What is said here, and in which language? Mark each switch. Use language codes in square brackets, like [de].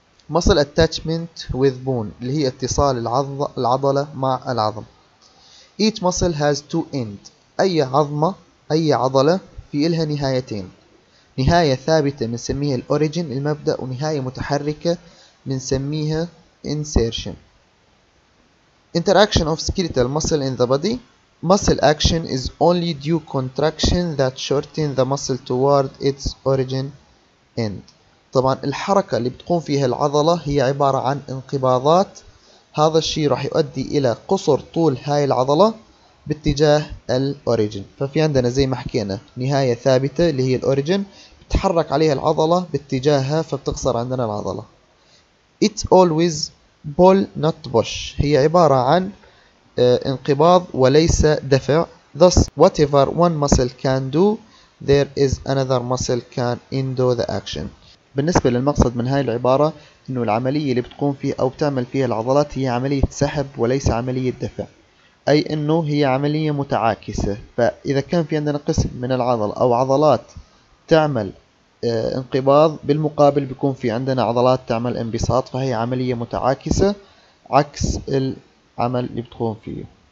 [en] Muscle attachment with bone [ar] اللي هي اتصال العضلة مع العظم. [en] Each muscle has two ends. [ar] أي عظمة، أي عضلة في إلها نهايتين. نهاية ثابتة بنسميها الأوريجين المبدأ، ونهاية متحركة بنسميها insertion. [en] Interaction of skeletal muscle in the body. Muscle action is only due contraction that shorten the muscle toward its origin end. [ar] طبعا الحركة اللي بتقوم فيها العضلة هي عبارة عن انقباضات، هذا الشيء راح يؤدي الى قصر طول هاي العضله باتجاه الاوريجن. ففي عندنا زي ما حكينا نهايه ثابته اللي هي الاوريجن، بتحرك عليها العضله باتجاهها فبتقصر عندنا العضله. [en] It's always pull not push، [ar] هي عباره عن انقباض وليس دفع. [en] Thus whatever one muscle can do there is another muscle can undo the action. [ar] بالنسبه للمقصد من هاي العباره انه العملية اللي بتقوم فيها او بتعمل فيها العضلات هي عملية سحب وليس عملية دفع، اي انه هي عملية متعاكسة. فاذا كان في عندنا قسم من العضل او عضلات تعمل انقباض، بالمقابل بيكون في عندنا عضلات تعمل انبساط، فهي عملية متعاكسة عكس العمل اللي بتقوم فيه.